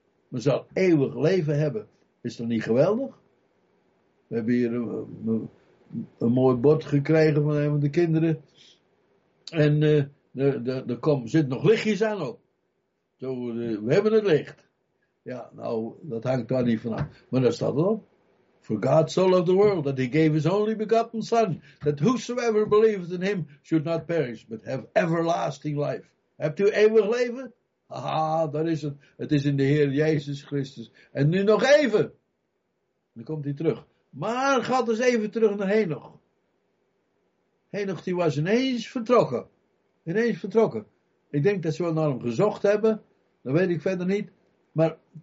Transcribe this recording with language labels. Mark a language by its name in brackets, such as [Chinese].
[Dutch] Men zal eeuwig leven hebben. Is dat niet geweldig? We hebben hier een mooi bord gekregen van een van de kinderen. En zit nog lichtjes aan op. Zo, we hebben het licht. Ja, nou, dat hangt daar niet vanaf. Maar daar staat het op. [English] For God so loved the world that he gave his only begotten son. That whosoever believeth in him should not perish, but have everlasting life. [Dutch] Hebt u eeuwig leven? Aha, daar is het. Het is in de Heer Jezus Christus. En nu nog even. Dan komt hij terug. Maar gaat eens even terug naar Henoch. Henoch die was ineens vertrokken. Ineens vertrokken. Ik denk dat ze wel naar hem gezocht hebben. Dat weet ik verder niet. Maar